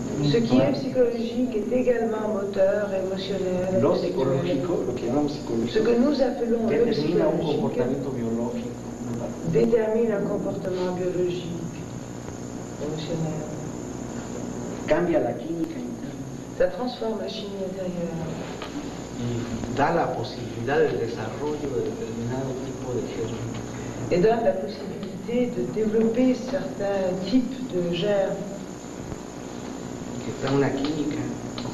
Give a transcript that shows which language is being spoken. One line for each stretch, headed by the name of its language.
French: ce qui est psychologique est également moteur, émotionnel.
Spanish: Lo psicológico, lo que llamamos psicológico,
French: ce que nous appelons le psychologique détermine un comportement biologique, émotionnel.
Spanish: Cambia la química.
French: Ça transforme la chimie intérieure.
Spanish: Y da la posibilidad del desarrollo de determinado tipo de germes.
French: Et donne la possibilité de développer certains types de germes.